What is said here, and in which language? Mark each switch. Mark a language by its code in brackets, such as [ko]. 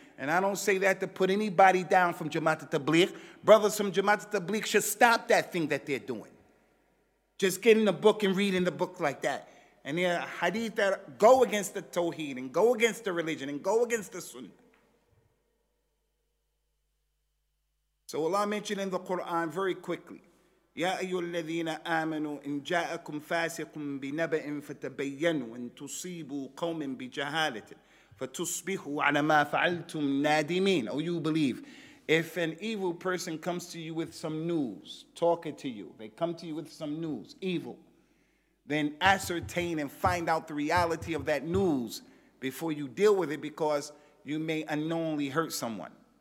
[en] And I don't say that to put anybody down from Jamaat al-Tabligh. Brothers from Jamaat al-Tabligh should stop that thing that they're doing. Just getting the book and reading the book like that. And there are hadith that go against the tawheed and go against the religion and go against the sunnah. So Allah mentioned in the Quran very quickly, [ar] يَا أَيُّ الَّذِينَ آمَنُوا إِن جَاءَكُمْ فَاسِقٌ بِنَبَئٍ فَتَبَيَّنُوا إِن تُصِيبُوا قَوْمٍ بِجَهَالَةٍ فَتُصْبِحُوا عَلَى مَا فَعَلْتُمْ نَادِمِينَ. [en] Oh, you believe. If an evil person comes to you with some news, talking to you, they come to you with some news, evil, then ascertain and find out the reality of that news before you deal with it, because you may unknowingly hurt someone.